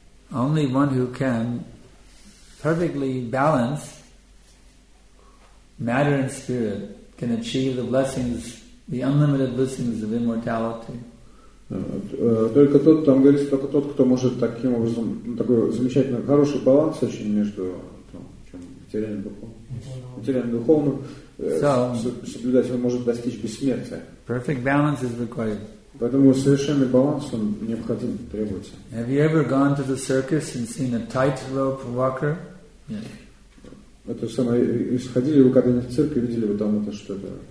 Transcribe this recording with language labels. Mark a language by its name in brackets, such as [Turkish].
[English] Only one who can perfectly balance matter and spirit can achieve the blessings, the unlimited blessings of immortality. [Russian] Только тот, там говорится, только тот, кто может таким образом, такой замечательно хороший баланс очень между материальным духовным соблюдать, он может достичь бессмертия. [English] Perfect balance is required. [Russian] Поэтому совершенный баланс он необходим, требуется. [English] Have you ever gone to the circus and seen a tightrope walker? [Russian] Yes. Это самое. Исходили вы когда-нибудь в цирк и видели вы там это что-то?